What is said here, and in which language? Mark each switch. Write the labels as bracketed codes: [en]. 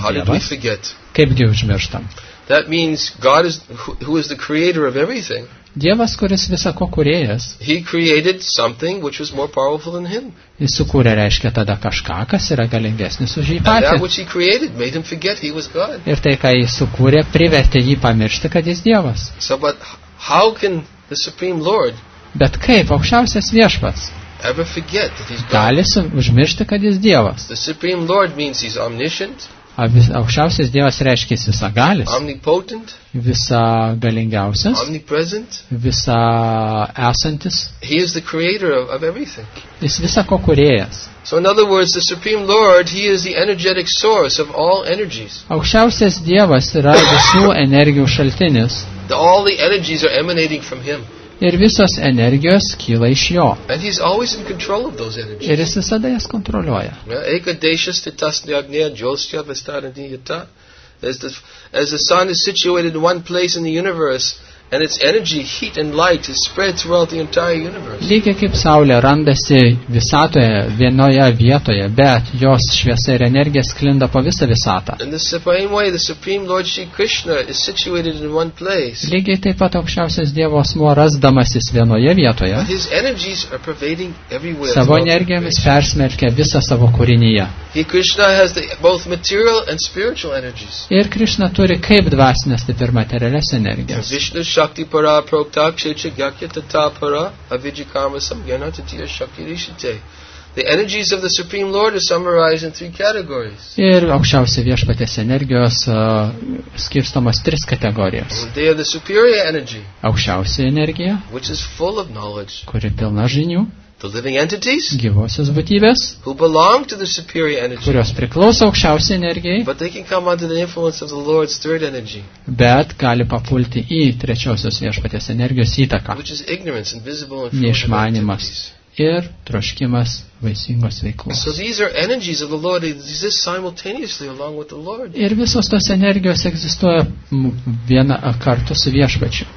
[en] how [lt] Dievas, [en] did we forget? [lt] Kaipgi užmirštam? [en] That means God is who is the creator of everything. [lt] Dievas, kuris visa ko kūrėjas. [en] He created something which was more powerful than him. [lt] Jis sukūrė, reiškia, tada kažką, kas yra galingesnis už jį patį. [en] That which he created made him forget he was God. [lt] Ir tai, ką jis sukūrė, privertė jį pamiršti, kad jis Dievas. [en] So, but how can the Supreme Lord? [lt] Bet kaip aukščiausias viešpats? [en] Ever forget that he's God? [lt] Gali užmiršti, kad jis Dievas. [en] The Supreme Lord means he's omniscient. [lt] Aukščiausias Dievas reiškia visagalis, visa galingiausias, visa esantis. [en] He is the creator of everything. [lt] Jis visa ko kūrėjas. [en] So in other words, the Supreme Lord, he is the energetic source of all energies. [lt] Aukščiausias Dievas yra visų energijų šaltinis. [en] All the energies are emanating from him. [lt] Ir visos energijos kyla iš jo. [en] And he's always in control of those energies. [lt] Ir jis visada jas kontroliuoja. [sa] Ekadešas titasni agnia jolstia vestarini yata. [en] As the sun is situated in one place in the universe, and its energy, heat and light is spread throughout the entire universe. [lt] Lygiai kaip saulė randasi visatoje vienoje vietoje, bet jos šviesa ir energija sklinda po visą visatą. [en] In the same way, the Supreme Lord Shri Krishna is situated in one place. [lt] Lygiai taip pat aukščiausias Dievo asmuo rasdamasis vienoje vietoje. [en] But his energies are pervading everywhere. [lt] Savo energijomis persmelkia visą savo kūrinyje. [en] He Krishna has the both material and spiritual energies. [lt] Ir Krishna turi kaip dvasinės, taip ir materialias energijas. [sa] Shakti para proktakshecha gyakya tata para avijikama samgena tatiya shakirishite. [en] The energies of the Supreme Lord are summarized in three categories. [lt] Ir aukščiausia viešpatės energijos skirstomas tris kategorijas. [en] They are the superior energy, [lt] aukščiausia energija, [en] which is full of knowledge, [lt] kuri pilna žinių. [en] The living entities, [lt] gyvosios būtybės, [en] who belong to the superior energy, [lt] kurios priklauso aukščiausiai energijai, [en] but they can come under the influence of the Lord's third energy, [lt] bet gali papulti į trečiosios viešpaties energijos įtaką, [en] which is ignorance, invisible and [lt] neišmanimas ir troškimas vaisingos veiklos. [en] So these are energies of the Lord, they exist simultaneously along with the Lord. [lt] Ir visos tos energijos egzistuoja viena kartu su viešpačiu.